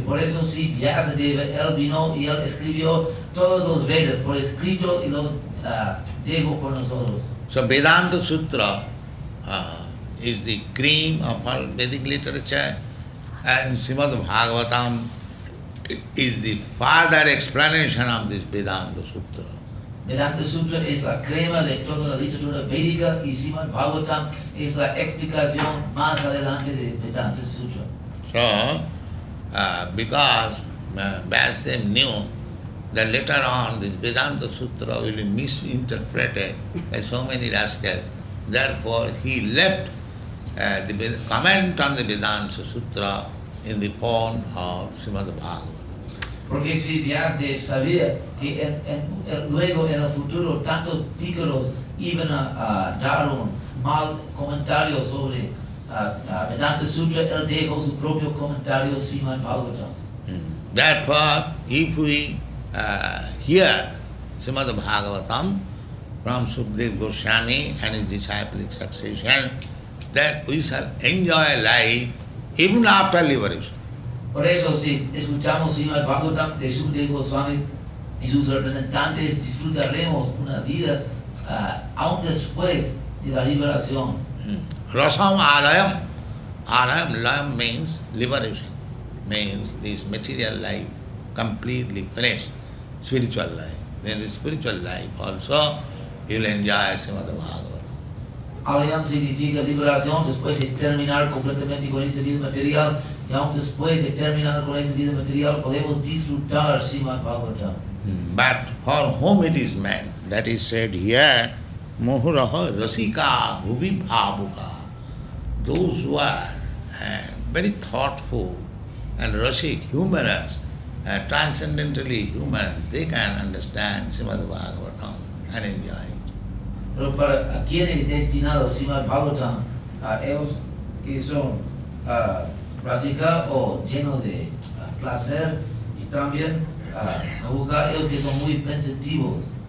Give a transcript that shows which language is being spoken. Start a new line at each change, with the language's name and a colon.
Spanish: Por eso sí, Vyasadeva, él vino y él escribió todos los Vedas por escrito y los dejó con nosotros.
English: So Vedanta Sutra is the cream of all Vedic literature, and Srimad Bhagavatam is the further explanation of this Vedanta Sutra.
Spanish: Vedanta Sutra es la crema de toda la literatura védica y Srimad Bhagavatam es la explicación más adelante de Vedanta Sutra.
English: So, because Vyasadeva knew that later on this Vedanta Sutra will be misinterpreted by so many rascals, therefore he left the comment on the Vedanta Sutra in the form of Srimad Bhagavatam.
Spanish: Porque si Vyasadeva sabía que luego en el futuro tantos pícaros iban a dar un mal comentario sobre Vedanta Sutra, él dejó su propio comentario Srimad Bhagavatam.
English: Therefore, if we hear Srimad Bhagavatam from Sukhdev Goswami and his disciples succession, that we shall enjoy life even after liberation.
Spanish: Por eso, si escuchamos Srimad Bhagavatam de Sukadeva Goswami y sus representantes, disfrutaremos una vida aún después de la liberación.
Sanskrit: Rasam alayam.
English: Alayam, layam means liberation. Means this material life completely finished. Spiritual life. Then the spiritual life also you will enjoy Srimad Bhagavatam.
Spanish: Alayam significa liberación, después de terminar completamente con esta vida material. Y aún después de terminar con esa vida material, podemos disfrutar Srimad Bhagavatam.
English: But for whom it is meant, that is said here,
Sanskrit: Muhuraha Rasika Bhubi Bhavuka.
English: Those who are very thoughtful and rasik, humorous, transcendentally humorous, they can understand Srimad Bhagavatam and enjoy it.
Spanish: Pero para a quien es destinado Srimad Bhagavatam, a ellos que son Rasika o lleno de placer y también a buscar ellos que son muy pensativos.